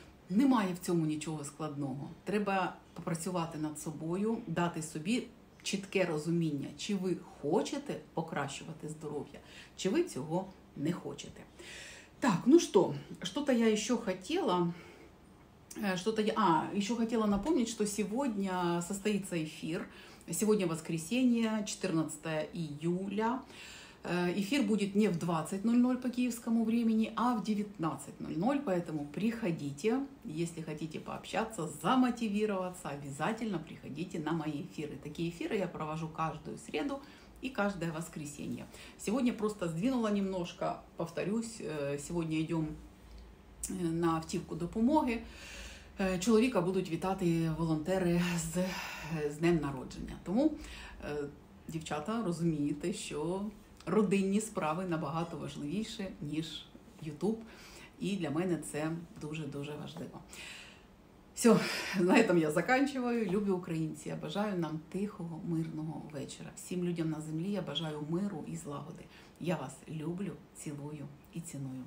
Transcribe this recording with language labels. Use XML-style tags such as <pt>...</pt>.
<uk>Немає в цьому нічого складного. Треба попрацювати над собою, дати собі чітке розуміння, чи ви хочете покращувати здоров'я, чи ви цього не хочете. Так, ну що, що-то я ще хотіла.</uk> <ru>Еще хотела напомнить, что сегодня состоится эфир. Сегодня воскресенье, 14 июля. Эфир будет не в 20.00 по киевскому времени, а в 19.00. Поэтому приходите, если хотите пообщаться, замотивироваться, обязательно приходите на мои эфиры. Такие эфиры я провожу каждую среду и каждое воскресенье. Сегодня просто сдвинула немножко, повторюсь, сегодня идем на</ru> <uk>автівку допомоги. Чоловіка будуть вітати волонтери з днем народження. Тому, дівчата, розумієте, що родинні справи набагато важливіші, ніж YouTube. І для мене це дуже-дуже важливо. Все, на цьому я закінчую. Любі українці, я бажаю нам тихого, мирного вечора. Всім людям на землі я бажаю миру і злагоди. Я вас люблю, цілую і ціную.</uk>